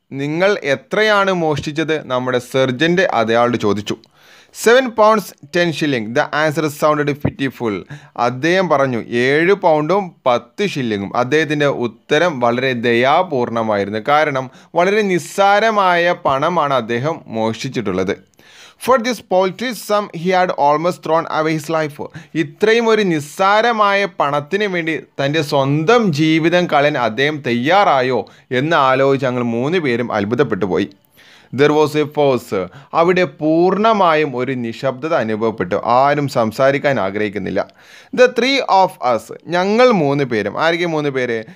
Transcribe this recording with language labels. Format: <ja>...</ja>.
<ml>നിങ്ങൾ എത്രയാണ് മോഷ്ടിച്ചത്? നമ്മുടെ സർജൻ്റെ അതയാളോട് ചോദിച്ചു.</ml> <en>7 pounds 10 shillings. The answer sounded pitiful.</en> <ml>അദ്ദേഹം പറഞ്ഞു</ml> <en>7 pounds 10 shillings.</en> <ml>അദ്ദേഹത്തിൻ്റെ ഉത്തരം വളരെ ദയാപൂർണമായിരുന്നു. കാരണം വളരെ നിസ്സാരമായ പണമാണ് അദ്ദേഹം മോഷ്ടിച്ചിട്ടുള്ളത്.</ml> <en>For this paltry sum, he had almost thrown away his life.</en> <ml>ഇത്രയും ഒരു നിസ്സാരമായ പണത്തിന് വേണ്ടി തൻ്റെ സ്വന്തം ജീവിതം കളയാൻ അദ്ദേഹം തയ്യാറായോ എന്ന് ആലോചിച്ച് ഞങ്ങൾ 3 പേരും അത്ഭുതപ്പെട്ടു പോയി.</ml> <en>There was a pause.</en> <ml>അവിടെ പൂർണ്ണമായും ഒരു നിശബ്ദത അനുഭവപ്പെട്ടു. ആരും സംസാരിക്കാൻ ആഗ്രഹിക്കുന്നില്ല.</ml> <en>The 3 of us.</en> <ml>ഞങ്ങൾ 3 പേരും. ആരൊക്കെ 3 പേര്?</ml>